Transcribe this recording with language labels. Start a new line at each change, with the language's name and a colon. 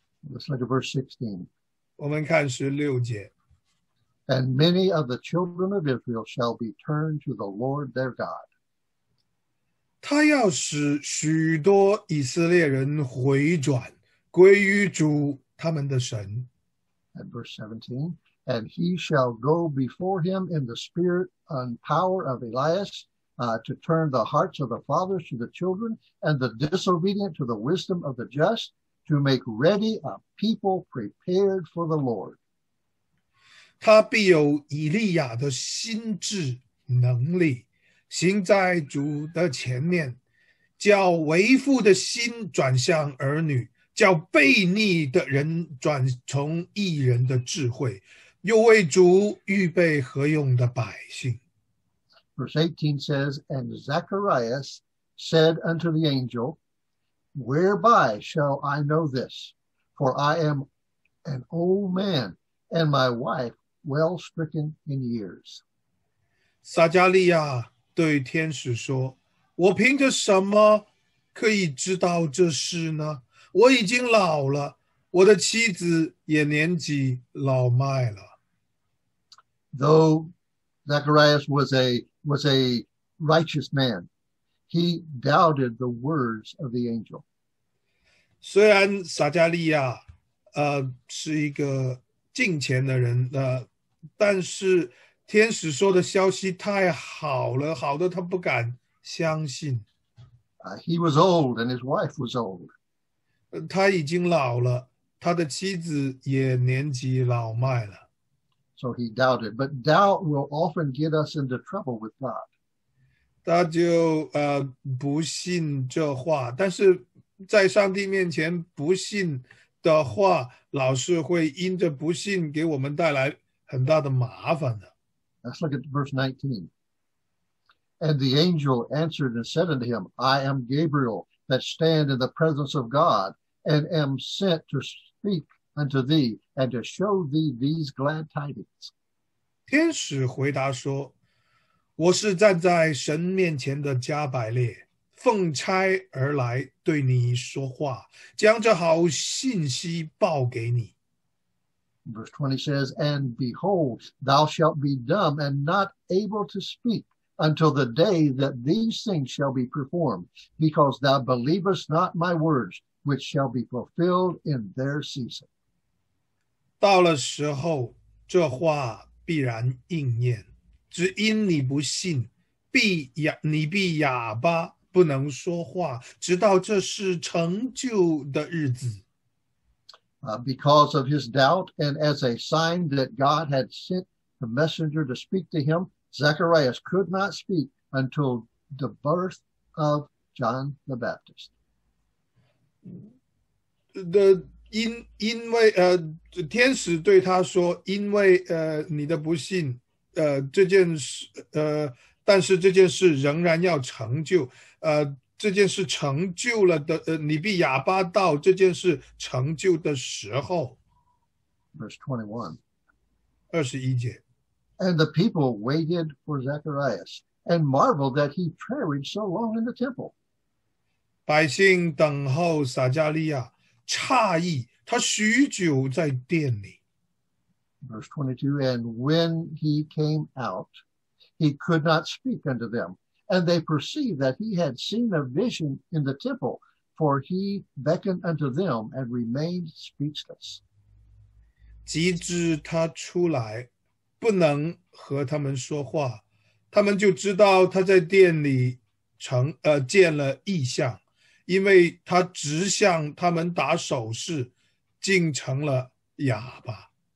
English: Let's look at verse 16.
Chinese: 我们看十六节。
English: And many of the children of Israel shall be turned to the Lord their God.
Chinese: 他要使许多以色列人回转，归于主他们的神。
English: And verse 17. And he shall go before him in the spirit and power of Elias. To turn the hearts of the fathers to the children and the disobedient to the wisdom of the just, to make ready a people prepared for the Lord.
Chinese: 他必有以利亚的心智能力，行在主的前面，叫为父的心转向儿女，叫悖逆的人转从义人的智慧，又为主预备何用的百姓。
English: Verse 18 says, And Zacharias said unto the angel, Whereby shall I know this? For I am an old man, and my wife well stricken in years.
Chinese: 撒加利亚对天使说, 我凭着什么可以知道这事呢？我已经老了，我的妻子也年纪老迈了。
English: Though Zacharias was a righteous man, he doubted the words of the angel.
Chinese: 虽然撒加利亚是一个敬虔的人但是天使说的消息太好了，好的他不敢相信。
English: He was old and his wife was old.
Chinese: 他已经老了，他的妻子也年纪老迈了。
English: So he doubted, but doubt will often get us into trouble with God.
Chinese: 他就不信这话，但是在上帝面前不信的话，老是会因着不信给我们带来很大的麻烦的。
English: Let's look at verse 19. And the angel answered and said unto him, I am Gabriel that stand in the presence of God and am sent to speak unto thee and to show thee these glad tidings.
Chinese: 天使回答说，我是站在神面前的加百列，奉差而来对你说话，将这好信息报给你。
English: Verse 20 says, And behold, thou shalt be dumb and not able to speak until the day that these things shall be performed, because thou believest not my words, which shall be fulfilled in their season.
Chinese: 到了时候，这话必然应验，只因你不信，你必哑巴，不能说话，直到这事成就的日子。
English: Because of his doubt, and as a sign that God had sent the messenger to speak to him, Zacharias could not speak until the birth of John the Baptist.
Chinese: 因为天使对他说，因为你的不信，这件事，但是这件事仍然要成就，这件事成就了的，你必哑巴到这件事成就的时候。
English: Verse
Chinese: 21节。
English: And the people waited for Zacharias and marveled that he tarried so long in the temple.
Chinese: 百姓等候撒加利亚，诧异他许久在殿里。
English: Verse 22, And when he came out, he could not speak unto them. And they perceived that he had seen a vision in the temple, for he beckoned unto them and remained speechless.
Chinese: 即至他出来，不能和他们说话，他们就知道他在殿里见了异象，因为他直向他们打手势，竟成了哑巴。